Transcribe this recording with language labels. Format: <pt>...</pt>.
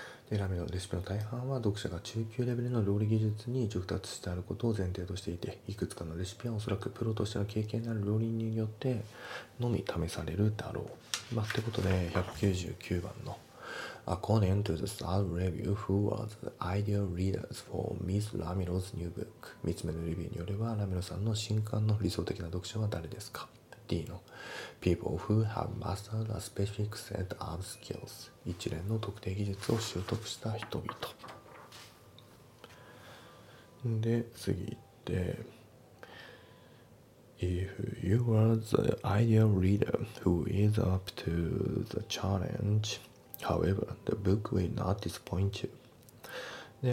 <ja>でラミのレシピの大半は読者が中級レベルの料理技術に熟達してあることを前提としていて、いくつかのレシピはおそらくプロとしての経験のある料理人によってのみ試されるだろう。まあ、ってことで199番の</ja> <en>According to the third review, who are the ideal readers for Ms. Ramiro's new book?</en> <ja>3つ目のレビューによれば、ラミロさんの新刊の理想的な読者は誰ですか？ D の</ja> <en>People who have mastered a specific set of skills.</en> <ja>一連の特定技術を習得した人々。で、次行って。</ja> <en>If you are the ideal reader who is up to the challenge,However, the book will not disappoint you.</en>